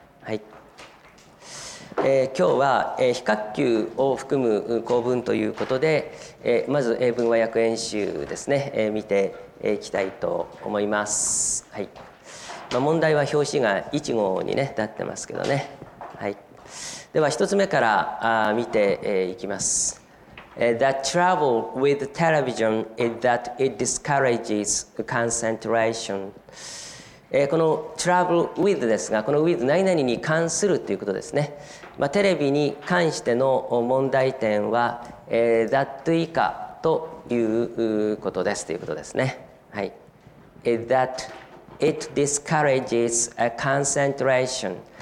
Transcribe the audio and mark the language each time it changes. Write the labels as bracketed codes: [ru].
[ja] はい、今日は比較級を含む構文ということで、まず英文和訳演習ですね、見ていきたいと思います。はい、問題は表紙が1号に、ね、なってますけどね。はい、では一つ目から見ていきます。 [en] The trouble with television is that it discourages concentration。 [ja] この trouble with ですが、この with 何々に関するということですね。テレビに関しての問題点は that 以下ということですということですね。 [en] はい、that it discourages a concentration。